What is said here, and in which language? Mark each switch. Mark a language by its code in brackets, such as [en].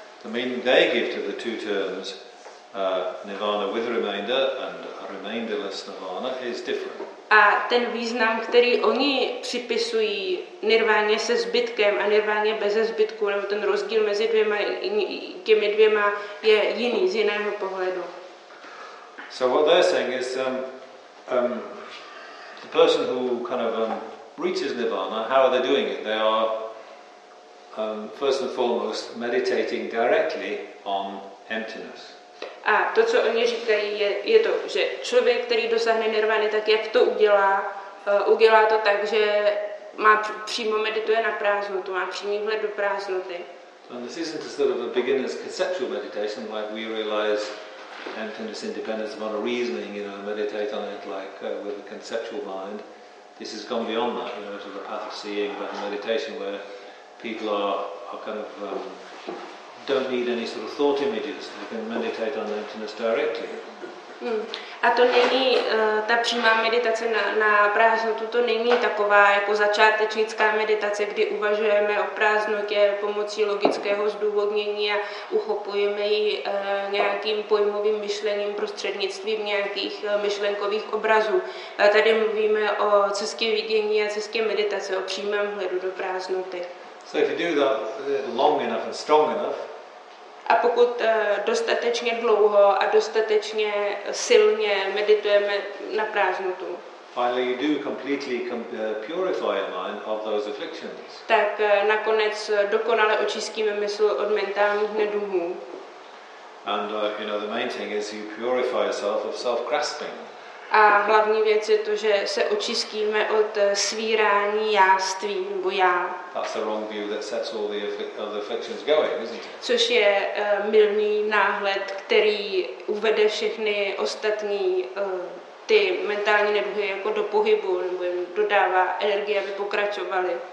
[en] The meaning they give to the two terms, nirvana with remainder and remainderless nirvana, is different. [cs] A ten význam, který oni připisují nirváně se zbytkem a nirváně bez zbytku, nebo ten rozdíl mezi těmi dvěma je jiný, z jiného pohledu. [en] So what they're saying is the person who kind of reaches nirvana, how are they doing it? They are first and foremost meditating directly on emptiness. [cs] A to, co oni říkají, je to, že člověk, který dosáhne nirvány, tak jak to udělá? Udělá to tak, že má přímo medituje na prázdnotu, má přímý vhled do prázdnoty. [en] And this isn't a sort of a beginner's conceptual meditation, like we realize emptiness, independence of our reasoning, you know, meditate on it like with a conceptual mind. This has gone beyond that, you know, to the path of seeing, but a meditation where people are kind of don't need any sort of thought images. You can meditate on emptiness directly. [cs] A to není ta přímá meditace na prázdnotu. To není taková jako začátečnická meditace, kdy uvažujeme o prázdnotě pomocí logického zdůvodnění a uchopujeme ji nějakým pojmovým myšlením prostřednictvím nějakých myšlenkových obrazů. Tady mluvíme o cestě vidění a cestě meditace, o přímém hledu do prázdnoty. [en] So if you do that long enough and strong enough. [cs] A pokud dostatečně dlouho a dostatečně silně meditujeme na prázdnotu. [en] Finally you do completely purify your mind of those afflictions. [cs] Tak nakonec dokonale očistíme mysl od mentálních nedumů. [en] And you know the main thing is you purify yourself of self-grasping. [cs] A hlavní věc je to, že se očistíme od svírání jáství nebo já. [en] That's the wrong view that sets all the other afflictions going, isn't it? [cs] Což je mylný náhled, který uvede všechny ostatní ty mentální neduhy jako do pohybu, nebo jim dodává energie, aby pokračovaly.